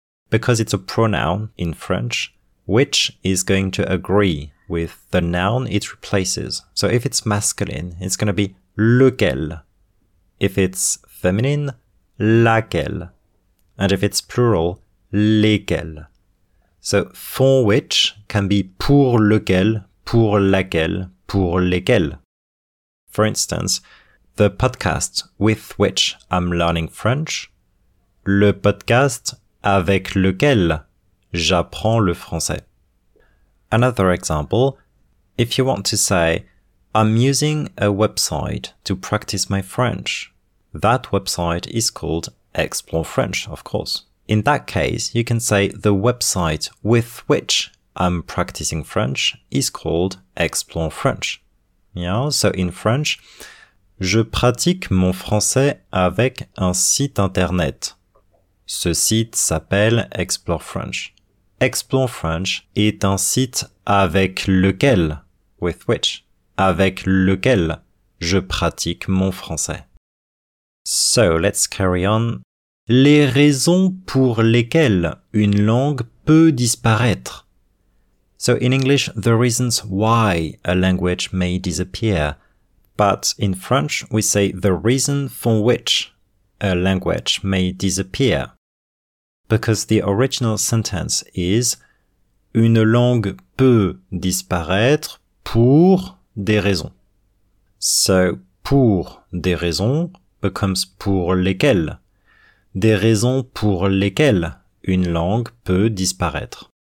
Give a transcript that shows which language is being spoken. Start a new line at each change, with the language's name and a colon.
English: Because it's a pronoun in French, which is going to agree with the noun it replaces. So if it's masculine, it's going to be lequel. If it's feminine, laquelle. And if it's plural, lesquels. So for which can be
French: pour lequel, pour laquelle, pour lesquels.
English: For instance, the podcast with which I'm learning French.
French: Le podcast avec lequel j'apprends le français.
English: Another example. If you want to say, I'm using a website to practice my French. That website is called Explore French, of course. In that case, you can say the website with which I'm practicing French is called Explore French. Yeah, so in French,
French: je pratique mon français avec un site internet. Ce site s'appelle Explore French. Explore French est un site avec lequel,
English: with which,
French: avec lequel je pratique mon français.
English: So, let's carry on.
French: Les raisons pour lesquelles une langue peut disparaître.
English: So, in English, the reasons why a language may disappear. But in French, we say the reason for which a language may disappear. Because the original sentence is
French: une langue peut disparaître pour des raisons.
English: So,
French: pour des raisons
English: becomes
French: pour lesquelles. Des raisons pour lesquelles une langue peut disparaître.